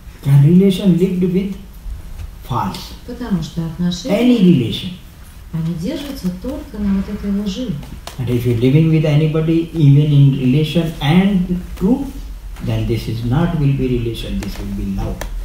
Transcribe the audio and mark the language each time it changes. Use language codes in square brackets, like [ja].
[en] A relation lived with false. [ru] Потому что отношения, [en] any relation, [ru] они держатся только на вот этой лжи. [en] And if you're living with anybody, even in relation and true, then this is not will be relation, this will be love.